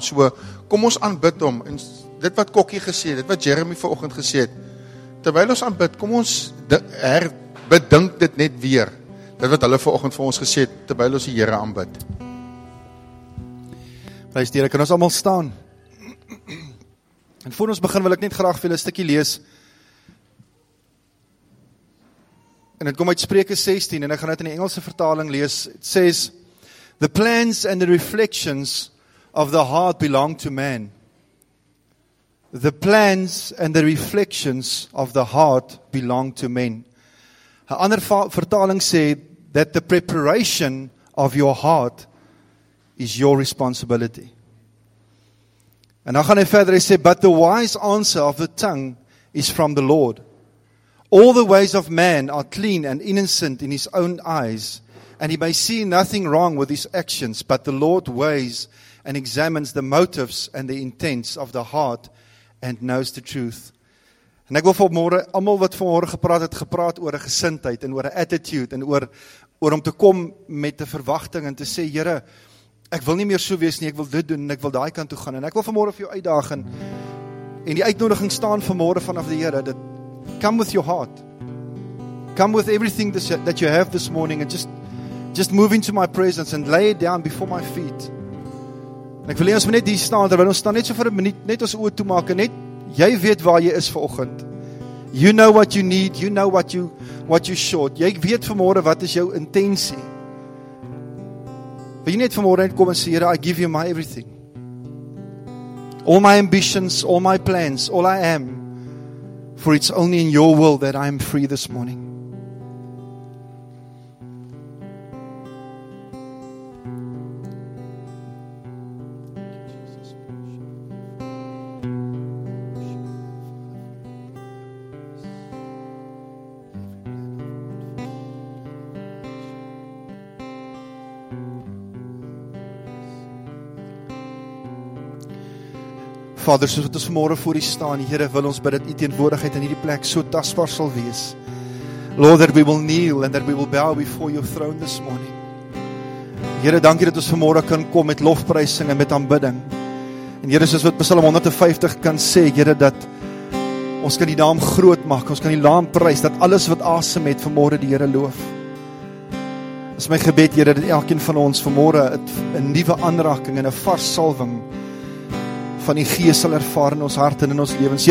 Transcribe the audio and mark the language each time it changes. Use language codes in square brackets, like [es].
[af] So kom ons aanbid hom. En dit wat Kokkie gesê het, dit wat Jeremy vanoggend gesê het, terwyl ons aanbid, kom ons herbedink dit net weer. Dit wat hulle vanoggend vir ons gesê het, terwyl ons die Here aanbid. Prys die Here, kan ons allemaal staan. En voor ons begin wil ek net graag vir julle 'n stukkie lees. En het kom uit Spreuke 16, en ek gaan dit in die Engelse vertaling lees. [en] It says, the plans and the reflections of the heart belong to man. The plans and the reflections of the heart belong to men. [af] 'N ander vertaling sê, [en] that the preparation of your heart is your responsibility. [af] En dan gaan hy verder, hy sê, [en] but the wise answer of the tongue is from the Lord. All the ways of man are clean and innocent in his own eyes, and he may see nothing wrong with his actions, but the Lord weighs and examines the motives and the intents of the heart and knows the truth. [af] En ek wil vir môre almal wat vanmôre gepraat het, gepraat oor 'n gesindheid en oor 'n attitude en oor om te kom met 'n verwagting en te sê, Here, ek wil nie meer so wees nie, ek wil dit doen en ek wil daai kant toe gaan. En ek wil vanmôre vir jou uitdaag en die uitnodiging staan vanmôre vanaf die Here, dat [en] come with your heart. Come with everything that you have this morning and just move into my presence and lay it down before my feet. [af] En ek wil hê ons moet net hier staan terwyl ons staan net so vir 'n minuut, net ons oë toemaak en net jy weet waar jy is vanoggend. [en] You know what you need, you know what you short. [af] Jy weet vanmôre wat is jou intensie. Wil jy net vanmôre net kom en sê, [en] Here, I give you my everything. All my ambitions, all my plans, all I am. For it's only in your will that I am free this morning. [af] Vader, soos wat ons vanmôre voor U staan, Here, wil ons bid dat U teenwoordigheid in hierdie plek so tasbaar sal wees. [en] Lord, that we will kneel and that we will bow before Your throne this morning. [af] Here, dankie dat ons vanmôre kan kom met lofprysing en met aanbidding. En Here, soos wat Psalm 150 kan sê, Here, dat ons kan die naam groot maak, ons kan die naam prys, dat alles wat asem het vanmôre die Here loof. Is my gebed, Here, dat elkeen van ons vanmôre 'n nuwe aanraking en 'n vars salwing van die Gees sal ervaar in ons hart en in ons lewens.